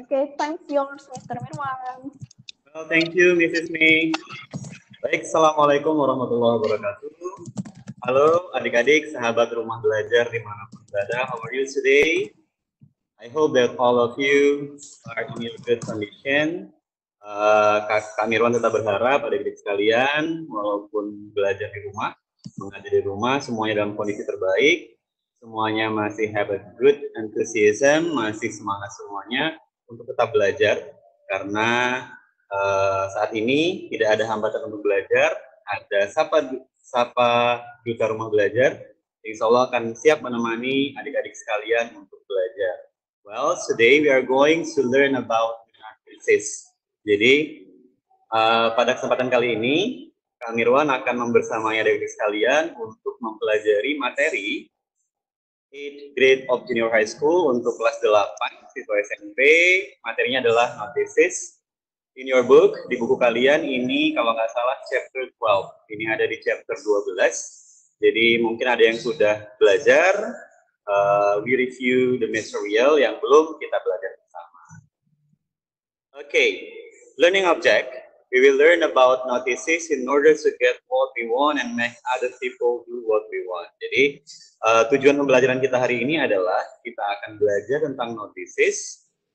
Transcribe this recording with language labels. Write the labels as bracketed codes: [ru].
[en] Okay, thanks yours, Mr. Mirwan. Well, thank you, Mrs. May. Baik, assalamualaikum warahmatullahi wabarakatuh. [id] Halo, adik-adik, sahabat rumah belajar di mana pun berada. [en] How are you today? I hope that all of you are in good condition. [id] Kak Mirwan tetap berharap adik-adik sekalian, walaupun belajar di rumah, mengajar di rumah, semuanya dalam kondisi terbaik, semuanya masih [en] have a good enthusiasm, [id] masih semangat semuanya untuk tetap belajar, karena saat ini tidak ada hambatan untuk belajar, ada sapa duta rumah belajar, insya Allah akan siap menemani adik-adik sekalian untuk belajar. [en] Well, today we are going to learn about analysis. [id] Jadi, pada kesempatan kali ini, Kak Mirwan akan membersamai adik-adik sekalian untuk mempelajari materi [en] 8th grade of junior high school [id] untuk kelas 8, siswa SMP. Materinya adalah notices. [en] In your book, [id] di buku kalian, ini kalau nggak salah chapter 12. Ini ada di chapter 12. Jadi, mungkin ada yang sudah belajar. [en] We review the material [id] yang belum kita belajar bersama. [en] Okay. Learning object, we will learn about notices in order to get what we want and make other people do what we want. [id] Jadi, tujuan pembelajaran kita hari ini adalah kita akan belajar tentang notices.